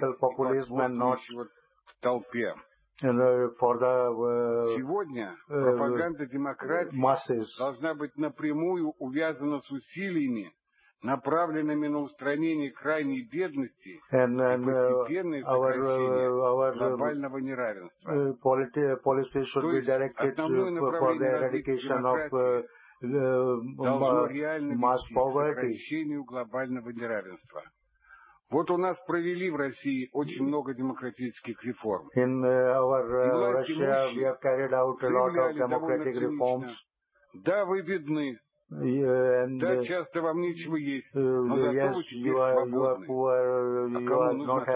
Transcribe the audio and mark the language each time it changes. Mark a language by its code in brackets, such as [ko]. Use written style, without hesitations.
[ru] популизма, сегодня пропаганда демократии должна быть напрямую увязана с усилиями, направленными на устранение крайней бедности и постепенное сокращение глобального неравенства. [en] Policy should be directed for the eradication of mass poverty. [ru] Сокращению глобального неравенства. Вот у нас провели в России очень много демократических реформ. [en] In our Russia we have carried out a lot of democratic reforms. [ru] Да, вы бедны. Да, часто вам нечего есть, но зато вы свободны.